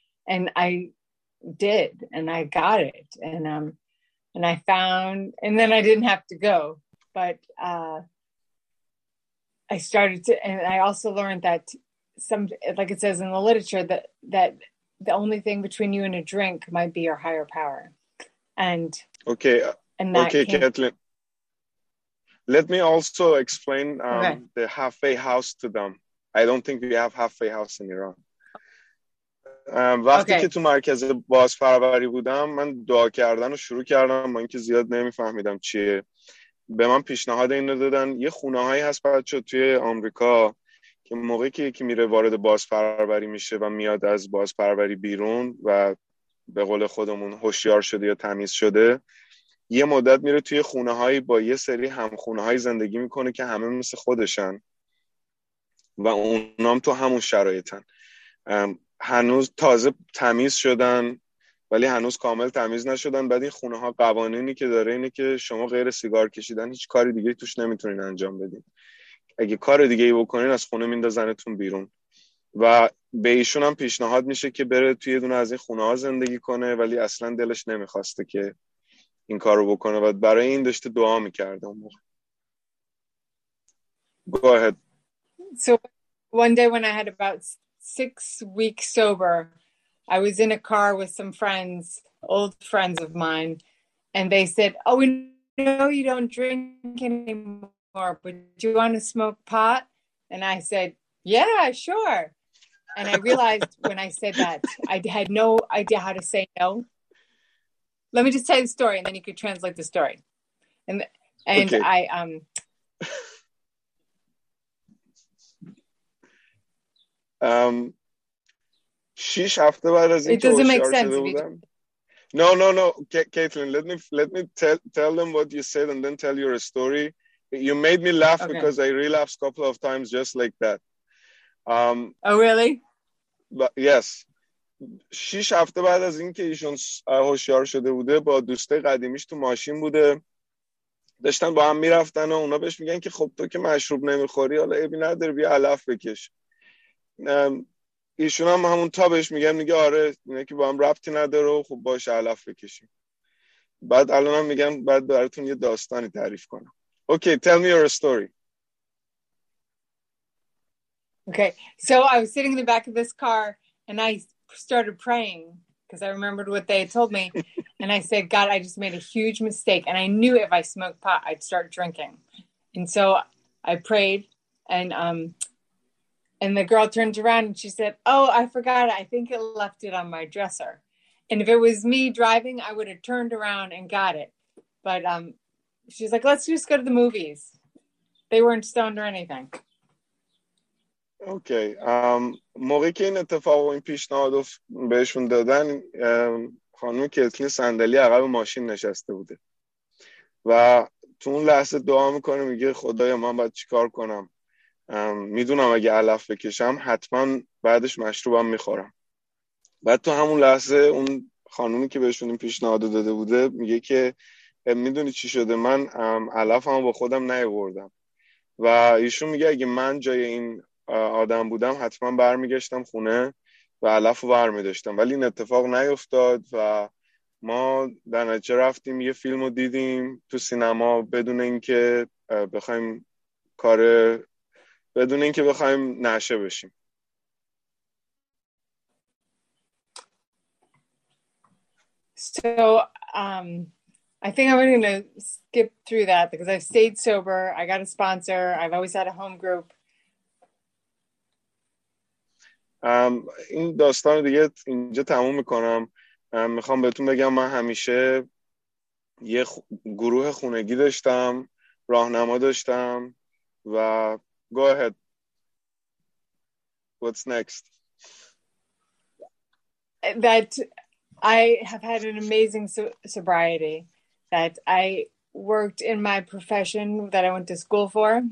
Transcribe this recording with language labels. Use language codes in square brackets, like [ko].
[en] And I did, and I got it. And I found, and then I didn't have to go, but I started to, and I also learned that some, like it says in the literature, that that the only thing between you and a drink might be your higher power. And okay, and that okay, came, Kathleen, let me also explain the halfway house to them. I don't think we have halfway house in Iran. [fa] وقتی که تو مرکز بازپروری بودم من دعا کردن رو شروع کردم با اینکه زیاد نمیفهمیدم چیه. به من پیشنهاد اینو دادن یه خونه هایی هست بچه توی آمریکا که موقعی که یکی میره وارد بازپروری میشه و میاد از بازپروری بیرون و به قول خودمون هوشیار شده یا تمیز شده یه مدت میره توی خونه هایی با یه سری همخونه هایی زندگی میکنه که همه مثل خودشن و اونام تو همون شرایطن، هنوز تازه تمیز شدن ولی هنوز کامل تمیز نشدن. بعد این خونه ها قوانینی که داره اینه که شما غیر سیگار کشیدن هیچ کاری دیگه توش نمیتونین انجام بدین، اگه کار دیگه ای بکنین از خونه میندازنتون بیرون. و به ایشون هم پیشنهاد میشه که بره توی یه دونه از این خونه ها زندگی کنه ولی اصلا دلش نمیخواسته که این کارو بکنه و برای این داشته دعا میکرده اون موقع. [en] Go ahead. So one day when I had about 6 weeks sober, I was in a car with some friends, old friends of mine, and they said, oh, we know you don't drink anymore, but do you want to smoke pot? And I said, yeah, sure. And I realized when I said that, I had no idea how to say no. Let me just tell you the story, and then you could translate the story. And okay. [fa] شیش هفته بعد از این که هوشیار شده بودم. [en] No. Caitlin, let me tell them what you said and then tell your story. You made me laugh okay. because I relapsed a couple of times just like that. Oh, really? But yes. [fa] شیش هفته بعد از این که ایشون هوشیار شده بوده با دوسته قدیمیش تو ماشین بوده. داشتن با هم میرفتن و اونا بهش میگن که خب تو که مشروب نمیخوری حالا ایبی نداره بیا علف بکش. ایشون هم همون تا بهش میگم میگه آره اینه که با هم ربطی نداره و خب باش علف بکشیم. بعد الان هم میگم بعد براتون یه داستانی تعریف کنم. [en] Okay, tell me your story. Okay, so I was sitting in the back of this car and I started praying because I remembered what they had told me and I said, God, I just made a huge mistake and I knew if I smoked pot I'd start drinking. And so I prayed and the girl turned around and she said, oh, I forgot. I think it left it on my dresser. And if it was me driving, I would have turned around and got it. But she's like, let's just go to the movies. They weren't stoned or anything. Okay. [fa] موقعی که این اتفاق و این پیشنهاد بهشون دادن، خانم کتلین صندلی عقب ماشین نشسته بوده. و تو اون لحظه دعا میکنه میگه خدایا من باید چیکار کنم؟ میدونم اگه علف بکشم حتما بعدش مشروبم میخورم. بعد تو همون لحظه اون خانومی که بهشون این پیشنهاد داده بوده میگه که میدونی چی شده، من علفمو با خودم نیاوردم. و ایشون میگه اگه من جای این آدم بودم حتما برمیگشتم خونه و علفو برمیداشتم، ولی این اتفاق نیفتاد و ما در نتیجه رفتیم یه فیلمو دیدیم تو سینما بدون اینکه بخوایم کار بدون این که بخوایم نشه بشیم. [en] So I think I'm going to skip through that because I've stayed sober. I got a sponsor. I've always had a home group. [fa] این داستان دیگه اینجا تموم میکنم. میخوام بهتون بگم من همیشه یه گروه خونگی داشتم، راهنما داشتم و [en] go ahead. What's next? That I have had an amazing sobriety, that I worked in my profession that I went to school for.